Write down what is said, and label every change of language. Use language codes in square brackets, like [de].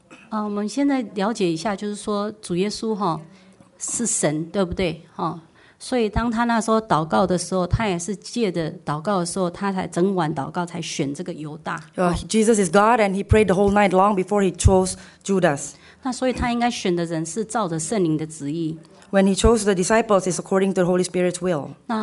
[zh] 我们现在了解一下，就是说主耶稣是神，对不对？所以当他那时候祷告的时候，他也是借着祷告的时候，他才整晚祷告，才选这个犹大。Jesus [en] is God, and he prayed the whole night long before he chose Judas. [zh] 那所以他应该选的人是照着圣灵的旨意。 [en] When he chose the disciples, it's according to the Holy Spirit's will.